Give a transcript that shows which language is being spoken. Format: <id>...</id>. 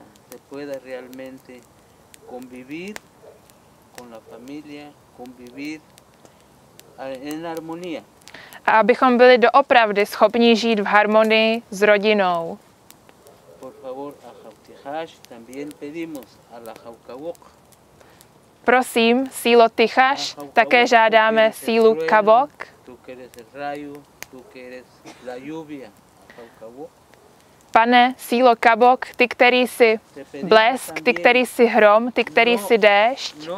<es>Se pueda realmente convivir con la familia, convivir en armonía.</es> <cs>A abychom byli doopravdy schopni žít v harmonii s rodinou.</cs> <es>Por favor, a Jautijash, también pedimos a la Jaukavok.</es> <cs>Prosím, sílo Tichaš, také žádáme sílu Kavok.</cs> <es>Tú que eres el rayo, tú que eres la lluvia, a Jaukavok.</es> <cs>Pane, sílo Kavok, ty, který jsi blesk, ty, který jsi hrom, ty, který jsi déšť.</cs>